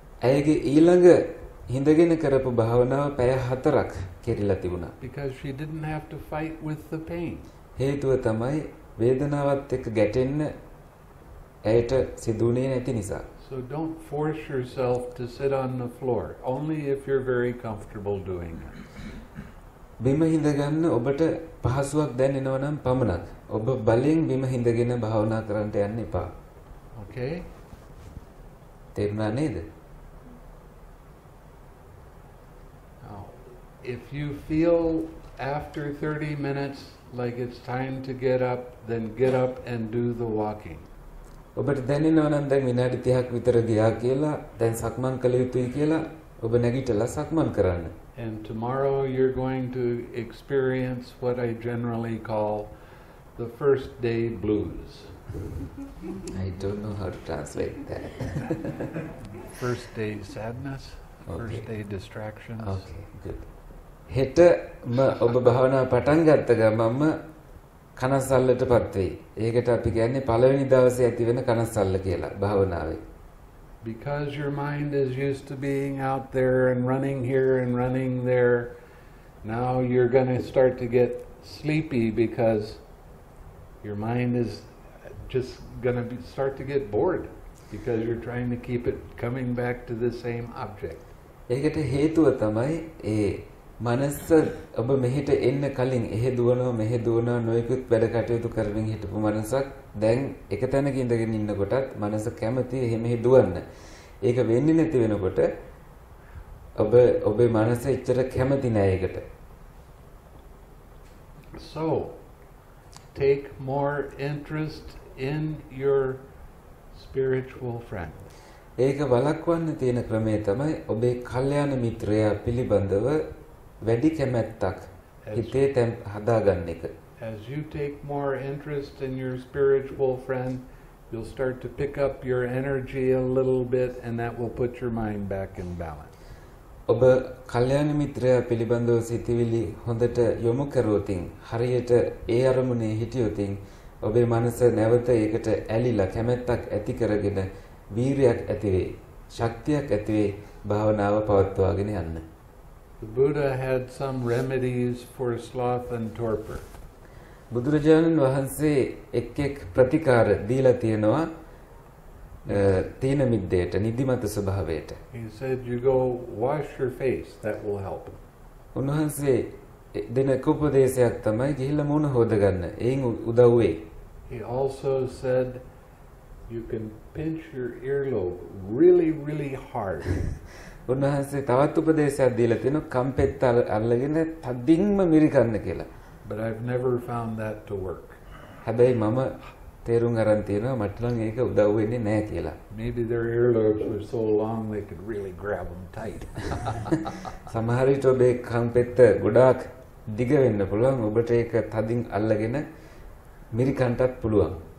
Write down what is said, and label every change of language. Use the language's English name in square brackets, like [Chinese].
[Sinhala] ඇයගේ ඊළඟ ඉඳගෙන කරපු භාවනාව පැය 4ක් කෙරිලා තිබුණා. [English] Because she didn't have to fight with the pain. [Sinhala] හේතුව තමයි වේදනාවත් එක්ක ගැටෙන්න ඇයට සිදුුනේ නැති නිසා. [English] So don't force yourself to sit on the floor only if you're very comfortable doing it. [Sinhala] බිම හිඳගන්න ඔබට පහසුවක් දැනෙනව නම් පමණක් ඔබ බලෙන් බිම හිඳගෙන භාවනා කරන්න යන්න එපා. [English] Okay. [Sinhala] තේරුණා නේද? [English] Now, if you feel after 30 minutes like it's time to get up, then get up and do the walking. [Sinhala] ඔබට දැනෙනවා නම් දැන් විනාඩි 30ක් විතර ගියා කියලා දැන් සක්මන් කළ යුතුයි කියලා ඔබ නැගිටලා සක්මන් කරන්න. [English] And tomorrow you're going to experience what I generally call the first day blues. I don't know how to translate that. First day sadness, first okay. day distractions. Okay, good. [Sinhala] හෙට ම ඔබ භාවනා පටන් ගත්ත ගමන්ම කනස්සල්ලටපත් වෙයි. ඒකට අපි කියන්නේ පළවෙනි දවසේ ඇති වෙන කනස්සල්ල කියලා භාවනාවේ. [English] Because your mind is used to being out there and running here and running there, now you're going to start to get sleepy because your mind is just going to start to get bored because you're trying to keep it coming back to the same object. [Sinhala] ඒකට හේතුව තමයි ඒ මනස ඔබ මෙහෙට එන්න කලින් එහෙ දුවනවා මෙහෙ දුවනවා නොයෙකුත් වැඩ කටයුතු කරමින් හිටපු මනසක් දැන් එක තැනක ඉඳගෙන ඉන්නකොටත් මනස කැමති එහෙ මෙහෙ දුවන්න. ඒක වෙන්නේ නැති වෙනකොට ඔබ ඔබේ මනස එච්චර කැමති නැහැ ඒකට. [English] So take more interest in your spiritual friend. [Sinhala] ඒක වළක්වන්න තියෙන ක්‍රමය තමයි ඔබේ කල්යාණ මිත්‍රයා පිළිබඳව වැඩි කැමැත්තක් හිතේ තැන් හදාගන්න එක. [English] As you take more interest in your spiritual friend, you'll start to pick up your energy a little bit and that will put your mind back in balance. [Sinhala] ඔබ කල්යාණ මිත්‍රයා පිළිබඳව සිතවිලි හොඳට යොමු කරවතින් හරියට ඒ අරමුණේ හිටියොතින් ඔබේ මනස නැවත ඒකට ඇලිලා කැමැත්තක් ඇති කරගෙන වීරයක් ඇතිවේ ශක්තියක් ඇතිවේ භාවනාව පවත්වාගෙන යන්න. [English] The Buddha had some remedies for sloth and torpor. [Sinhala] බුදුරජාණන් වහන්සේ එක් එක් ප්‍රතිකාර දීලා තියෙනවා තීන මිද්දේට නිදිමත ස්වභාවයට. [English] He said you go wash your face, that will help. [Sinhala] උන්වහන්සේ දෙන උපදේශයක් තමයි ගිහිල්ලා මුණ හොදගන්න. එයින් උදව් වෙයි. [English] He also said you can pinch your earlobe really really hard. [Sinhala] උන්වහන්සේ තවත් උපදේශයක් දීලා තිනවා කම්පෙත් අල්ලගෙන තදින්ම මිරිකන්න කියලා. [English] But I've never found that to work. [Sinhala] හැබැයි මම තේරුම් අරන් තියෙනවා මට නම් ඒක උදව් වෙන්නේ නැහැ කියලා. [English] Maybe their earlobes were so long they could really grab them tight. [Sinhala] සමහර විට ඔබේ කම්පෙත් ගොඩාක් දිග වෙන්න පුළුවන් ඔබට ඒක තදින් අල්ලගෙන මිරිකන්නත් පුළුවන්.